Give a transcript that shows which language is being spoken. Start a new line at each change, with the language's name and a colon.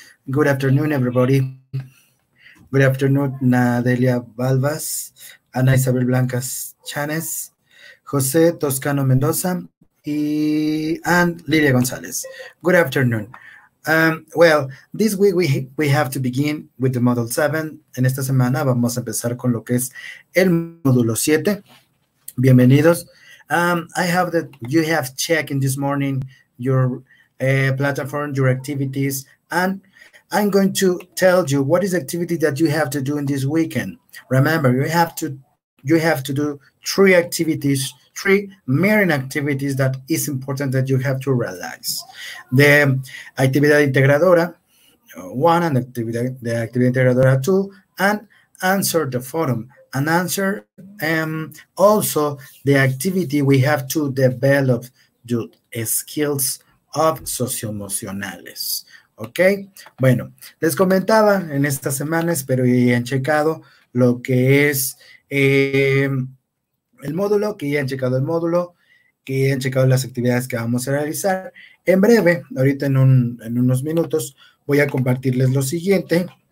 English: Good afternoon, everybody. Good afternoon, Nadelia Balbas, Ana Isabel Blancas Chanes, Jose Toscano Mendoza, and Lidia Gonzalez. Good afternoon. Well, this week we have to begin with the Model 7.
Spanish: En esta semana vamos a empezar con lo que es el módulo 7. Bienvenidos.
English: I hope that you have checked in this morning your platform, your activities, and I'm going to tell you what is the activity that you have to do in this weekend. Remember, you have to do three activities, three main activities that is important that you have to realize. The actividad integradora one and the actividad integradora two, and answer the forum and answer also the activity we have to develop the skills of socioemocionales.
Spanish: Okay, bueno, les comentaba en estas semanas, pero ya han checado lo que es el módulo, que ya han checado el módulo, que ya han checado las actividades que vamos a realizar. En breve, ahorita en unos minutos, voy a compartirles lo siguiente.